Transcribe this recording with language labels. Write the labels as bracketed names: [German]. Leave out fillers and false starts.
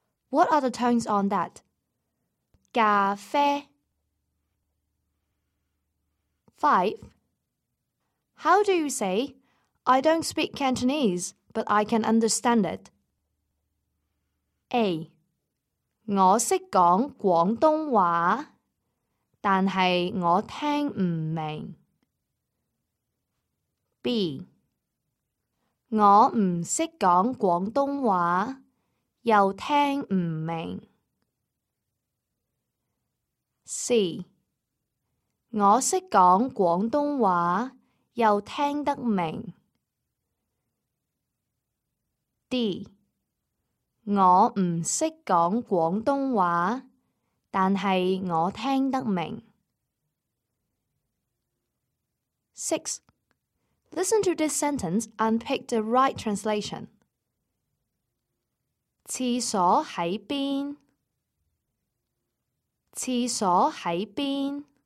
[English] What are the tones on that? [Cantonese] 咖啡。 [English] 5. How do you say, I don't speak Cantonese, but I can understand it? A. [Cantonese] 我識講廣東話，但係我聽唔明。 [English] B. [Cantonese] 我唔識講廣東話，又聽唔明。 [English] C. [Cantonese] 我識講廣東話，又聽得明。 [English] D. [Cantonese] 我唔識講廣東話，但係我聽得明。 [English] 6. Listen to this sentence and pick the right translation. [Cantonese] 廁所喺邊？廁所喺邊？